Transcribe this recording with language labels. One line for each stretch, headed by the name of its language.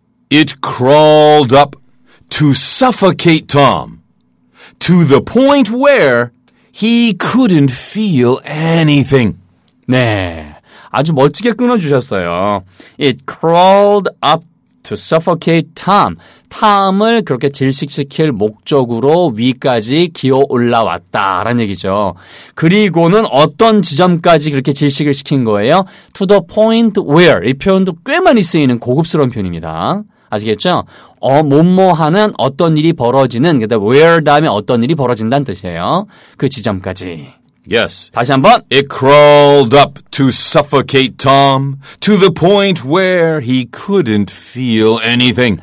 English: It crawled up to suffocate Tom to the point where he couldn't feel anything.
Korean: 네, 아주 멋지게 끊어주셨어요.
English: It crawled up to suffocate Tom.
Korean: Tom을 그렇게 질식시킬 목적으로 위까지 기어 올라왔다라는 얘기죠. 그리고는 어떤 지점까지 그렇게 질식을 시킨 거예요?
English: To the point where
Korean: 이 표현도 꽤 많이 쓰이는 고급스러운 표현입니다. 아시겠죠? 뭐뭐하는 어떤 일이 벌어지는 그다음 where 다음에 어떤 일이 벌어진다는 뜻이에요. 그 지점까지.
English: Yes.
Korean: 다시 한번.
English: It crawled up to suffocate Tom to the point where he couldn't feel anything.